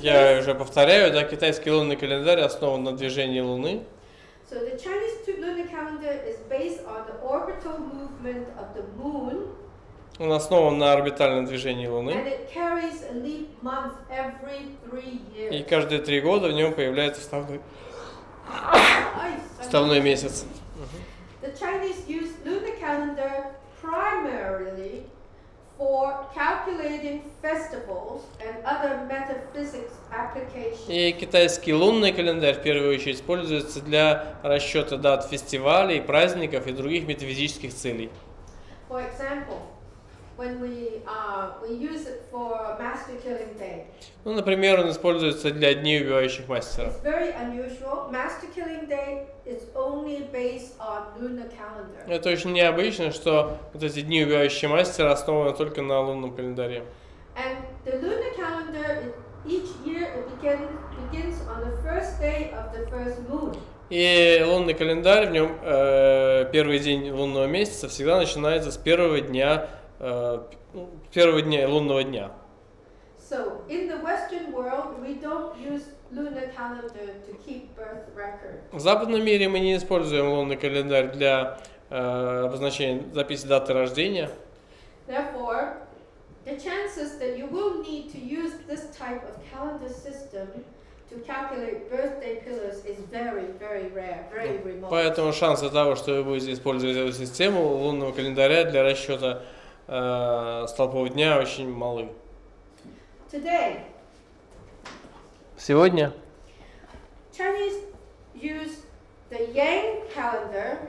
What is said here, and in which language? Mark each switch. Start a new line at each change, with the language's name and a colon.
Russian: Я уже повторяю, да, китайский лунный календарь основан на движении Луны.
English: So the Chinese lunar calendar is based on the orbital movement of the moon.
Russian: Он основан на орбитальном движении Луны.
English: And it carries a leap month every 3 years.
Russian: И каждые три года в нем появляется вставной месяц.
English: The Chinese use lunar calendar primarily for calculating festivals and other metaphysics applications.
Russian: И китайский лунный календарь в первую очередь используется для расчета дат фестивалей, праздников и других метафизических целей.
English: For example, when we use it for Master Killing Day.
Russian: Ну, например, он используется для дней убивающих мастеров.
English: It's very unusual. Master Killing Day is only based on lunar calendar.
Russian: Это очень необычно, что вот эти дни убивающих мастера основаны только на лунном календаре.
English: And the lunar calendar each year begins on the first day of the first moon.
Russian: И лунный календарь в нем первый день лунного месяца всегда начинается с первого дня лунного дня.
English: So, in the Western world, we don't use lunar calendar to keep birth record.
Russian: В западном мире мы не используем лунный календарь для обозначения записи даты рождения.
English: Therefore, the chances that you will need to use this type of calendar system to calculate birthday pillars is very, very rare, very remote.
Russian: Поэтому шансы того, что вы будете использовать эту систему лунного календаря для расчета столпов дня очень малы.
English: Today,
Russian: сегодня
English: Chinese use the Yang calendar,